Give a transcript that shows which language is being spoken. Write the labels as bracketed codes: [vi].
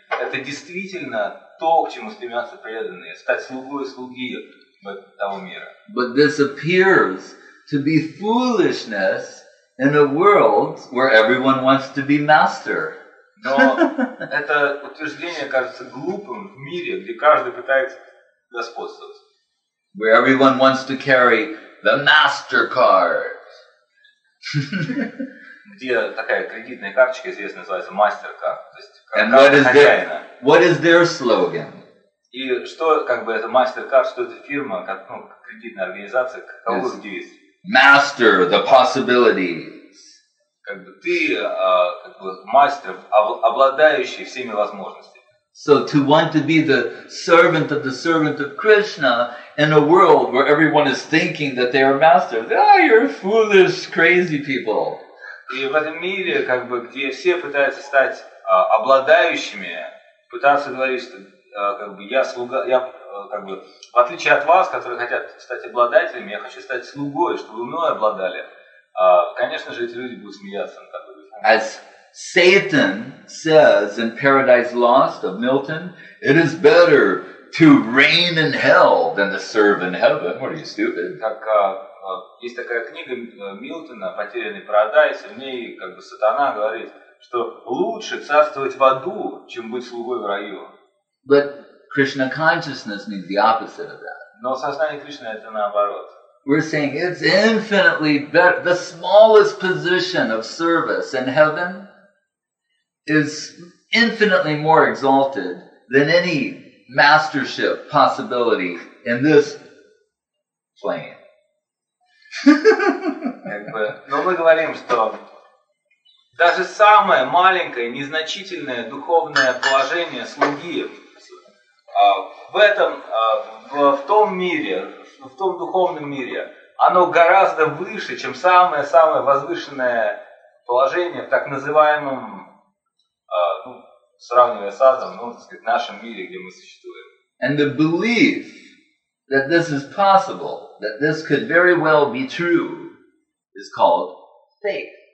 [ru] Это действительно то, к чему стремятся преданные, стать слугой слуги того мира. [en] But this appears to be foolishness in a world where everyone wants to be master. [ru] Но это утверждение кажется глупым в мире, где каждый пытается господствовать. [en] Where everyone wants to carry the MasterCard. [ru] Где такая кредитная карточка известная, называется MasterCard. [en] And what is their slogan? [ru] И что, как бы, это MasterCard, что это фирма, как, ну, кредитная организация, каков их девиз? [en] Master the possibilities. [ru] Как бы ты, как бы, мастер, обладающий всеми возможностями. [en] So to want to be the servant of Krishna in a world where everyone is thinking that they are masters. Ah, you're foolish, crazy people. [ru] И в этом мире, как бы, где все пытаются стать обладающими, пытаться говорить, что как бы я слуга, я как бы, в отличие от вас, которые хотят стать обладателями, я хочу стать слугой, чтобы вы мной обладали. Конечно же, эти люди будут смеяться на такой вид. [en] As Satan says in Paradise Lost of Milton, it is better to reign in hell than to serve in heaven. What are you stupid? [ru] Как есть такая книга Милтона «Потерянный парадайз», в ней как бы сатана говорит, что лучше царствовать в аду, чем быть слугой в раю. [en] But Krishna consciousness means the opposite of that. [ru] Но сознание Кришны это наоборот. [en] We're saying it's infinitely better. The smallest position of service in heaven is infinitely more exalted than any mastership possibility in this plane. [ru] Но мы говорим, что даже самое маленькое, незначительное духовное положение слуги в том духовном мире, оно гораздо выше, чем самое-самое возвышенное положение в так называемом, сравнивая с адом, в нашем мире, где мы существуем. [en] And the belief that this is possible, that this could very well be true, is called faith.